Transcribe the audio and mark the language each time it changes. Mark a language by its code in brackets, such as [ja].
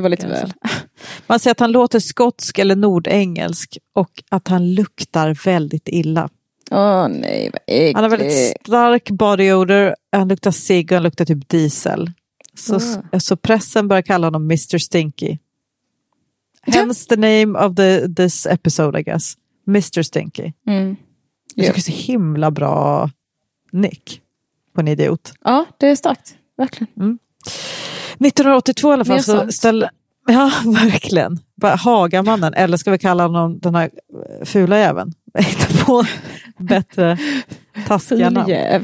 [sv] var lite väl. Man säger att han låter skotsk eller nordengelsk och att han luktar väldigt illa. Åh nej, vad äckligt. Han har väldigt stark body odor, han luktar cig och han luktar typ diesel. Så pressen börjar kalla honom Mr. Stinky. [en] Hence the name of this episode, I guess. [sv] Mr. Stinky. Mm. Jag tycker det är så himla bra nick på en idiot. Ja, det är starkt. Verkligen. Mm. 1982 i alla fall. Ja, verkligen. Hagamannen. Eller ska vi kalla honom den här fula jäveln? Hitta på bättre taskiga namn.